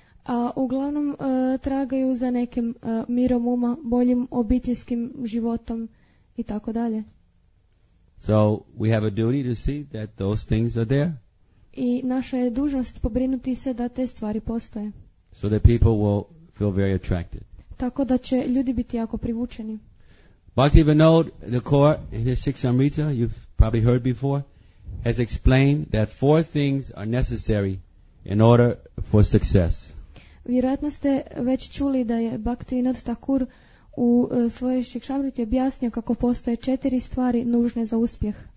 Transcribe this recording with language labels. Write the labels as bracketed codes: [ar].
[hr] A uglavnom tragaju za nekim mirom uma, boljim obiteljskim životom i tako dalje. [en] So we have a duty to see that those things are there. [hr] I naša je dužnost pobrinuti se da te stvari postoje. [en] So that people will feel very attracted. [hr] Tako da će ljudi biti jako privučeni. [en] Bhakti Vinod, the core in his Shikshamrita, you've probably heard before, has explained that four things are necessary in order for success. [hr] Vjerojatno ste već čuli da je Bhakti Vinod Thakur u svojoj Shikshamriti objasnio kako postoje četiri stvari nužne za uspjeh.